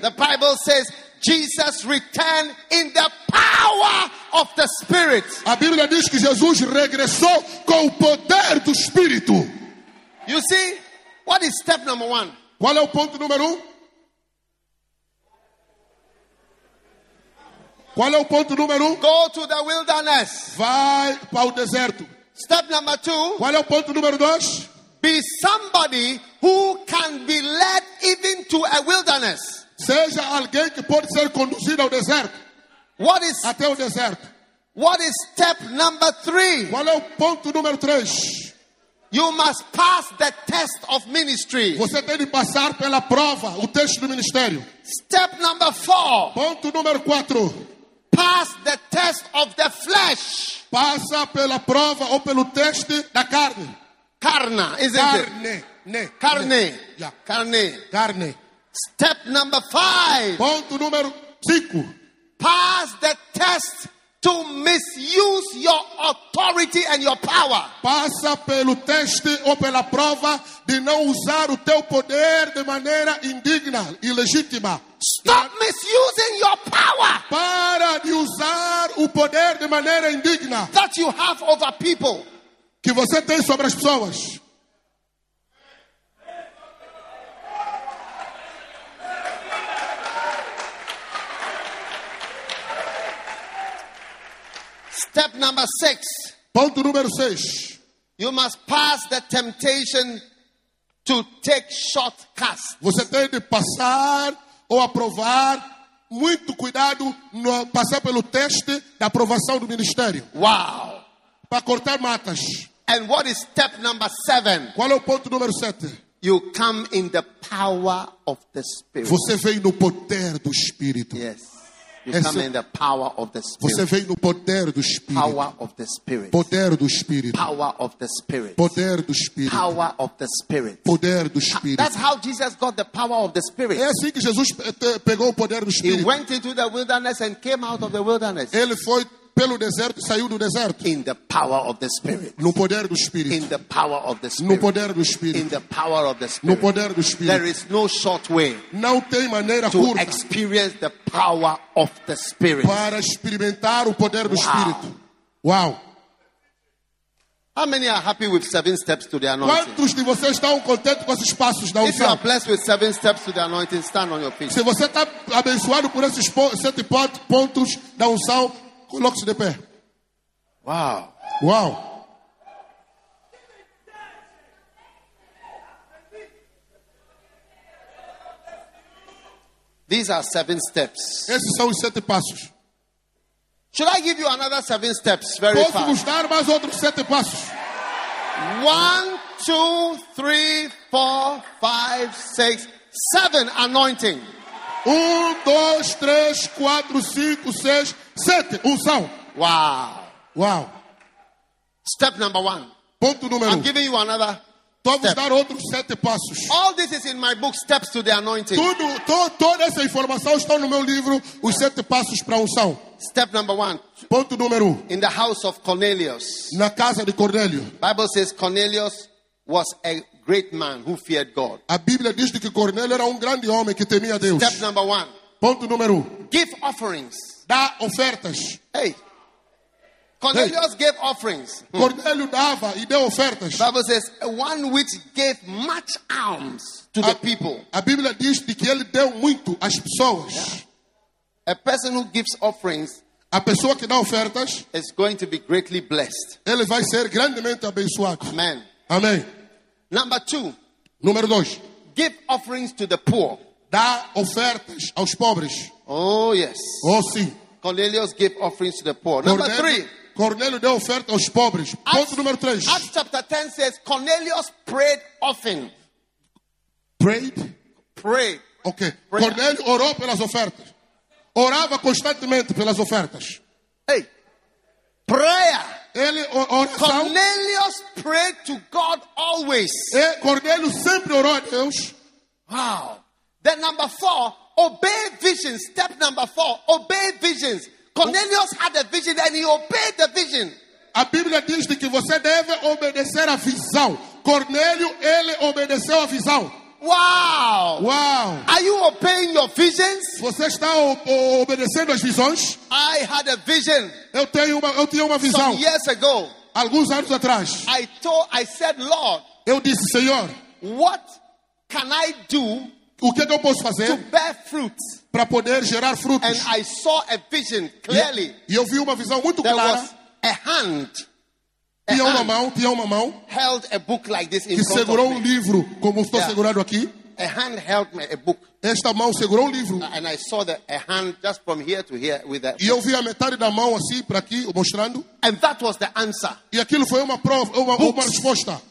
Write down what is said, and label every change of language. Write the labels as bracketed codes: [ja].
[en] The Bible says Jesus returned in the power of the Spirit. [pt] A Bíblia diz que Jesus regressou com o poder do Espírito. [en] You see, what is step number 1? [pt] Qual é o ponto número 1? Qual é o ponto número 1? [en] Go to the wilderness. [pt] Vai para o deserto. [en] Step number 2. [pt] Qual é o ponto número 2? [en] Be somebody who can be led even to a wilderness. [pt] Seja alguém que pode ser conduzido ao deserto. [en] What is, [pt] até o deserto. [en] What is step number 3? [pt] Qual é o ponto número 3? [en] You must pass the test of ministry. [pt] Você tem de passar pela prova, o teste do ministério. [en] Step number 4. [pt] Ponto número 4. [en] Pass the test of the flesh. [pt] Passa pela prova ou pelo teste da carne. [en] Carne, isn't it? [pt] Carne. Ne. Carne. Ne. [en] Yeah. [pt] Carne. Carne. [en] Step number 5. [pt] Ponto número 5. [en] Pass the test to misuse your authority and your power. [pt] Passa pelo teste ou pela prova de não usar o teu poder de maneira indigna, ilegítima. [en] Stop misusing your power. [pt] Para de usar o poder de maneira indigna. [en] That you have over people. [pt] Que você tem sobre as pessoas. [en] Step number 6. [pt] Ponto número 6. [en] You must pass the temptation to take shortcuts. [pt] Você tem de passar ou aprovar. Muito cuidado no passar pelo teste da aprovação do ministério. [en] Wow. [pt] Para cortar matas. [en] And what is step number 7? [pt] Qual é o ponto número 7? [en] You come in the power of the Spirit. [pt] Você vem no poder do Espírito. [en] Yes. You come in the power of the Spirit. [pt] Você vem no poder do Espírito. [en] Power of the Spirit. [pt] Poder do Espírito. [en] Power of the Spirit. [pt] Poder do Espírito. [en] Power of the Spirit. [pt] Poder do Espírito. [en] That's how Jesus got the power of the Spirit. [pt] É assim que Jesus pegou o poder do Espírito. [en] He went into the wilderness and came out of the wilderness. [pt] Ele foi pelo deserto, saiu do deserto. [en] In the power of the Spirit. [pt] No poder do Espírito. [en] In the power of the Spirit. [pt] No poder do Espírito. [en] In the power of the Spirit. [pt] No poder do Espírito. [en] There is no short way. [pt] Não tem maneira curta. [en] To experience the power of the Spirit. [pt] Para experimentar o poder do Espírito. Wow. [en] How many are happy with 7 steps to the anointing? [pt] Quantos de vocês estão contentes com esses passos da unção? [en] If you are blessed with 7 steps to the anointing, stand on your feet. [pt] Se você está abençoado por esses 7 pontos da unção, coloque-se de pé. [en] Wow. Wow. These are 7 steps. [pt] Esses são os 7 passos. [en] Should I give you another 7 steps very fast? [pt] Posso mostrar mais outros 7 passos? [en] 1, 2, 3, 4, 5, 6, 7 anointing. [pt] 1, 2, 3, 4, 5, 6. 7, unção. [en] Wow. Wow. Step number 1. [pt] Ponto número 1. [en] I'm giving you another. [pt] Vamos dar outros 7 passos. [en] All this is in my book, Steps to the Anointing. [pt] Toda essa informação está no meu livro, Os 7 Passos para a Unção. [en] Step number 1. [pt] Ponto número 1. [en] In the house of Cornelius. [pt] Na casa de Cornélio. [en] Bible says Cornelius was a great man who feared God. [pt] A Bíblia diz que Cornélio era um grande homem que temia Deus. [en] Step number 1. [pt] Ponto número 1. [en] Give offerings. [pt] Dá ofertas. [en] Hey. Cornelius gave offerings. [pt] Cornélio dava e deu ofertas. [en] Bible says one which gave much alms to the people. [pt] A Bíblia diz que ele deu muito às pessoas. [en] Yeah. A person who gives offerings, [pt] a pessoa que dá ofertas, [en] is going to be greatly blessed. [pt] Ele vai ser grandemente abençoado. [en] Amen. [pt] Amém. [en] Number 2. [pt] Número 2. [en] Give offerings to the poor. [pt] Dá ofertas aos pobres. [en] Oh yes. [pt] Oh sim. [en] Cornelius gave offerings to the poor. Number 3. [pt] Cornélio deu oferta aos pobres. Ponto número 3. [en] Acts chapter 10 says Cornelius prayed often. Prayed? Pray. [pt] Okay. Cornélio orou pelas ofertas. Orava constantemente pelas ofertas. [en] Hey. Prayer. [pt] Ele oração. [en] Cornelius prayed to God always. [pt] Cornélio sempre orou a Deus. [en] Wow. Then number four, obey visions. Step number four, obey visions. Cornelius had a vision and he obeyed the vision. [pt] A Bíblia diz que você deve obedecer a visão. Cornélio, ele obedeceu a visão. [en] Wow! Wow! Are you obeying your visions? [pt] Você está obedecendo as visões? [en] I had a vision. [pt] Eu tinha uma visão. [en] Some years ago. [pt] Alguns anos atrás. [en] I said, Lord. [pt] Eu disse, Senhor. [en] What can I do? [pt] O que eu posso fazer? [en] To bear fruits. [pt] Para poder gerar frutos. [en] And I saw a vision clearly. [pt] E eu vi uma visão muito clara. [en] A hand. [pt] Tinha uma mão. [en] Held a book like this in front of me. [pt] Que segurou um livro, como estou segurando aqui. [en] A hand held me a book. [pt] Esta mão segurou um livro. [en] And I saw a hand just from here to here with that. [pt] E eu vi a metade da mão assim para aqui, mostrando. [en] And that was the answer. [pt] E aquilo foi uma prova, uma resposta.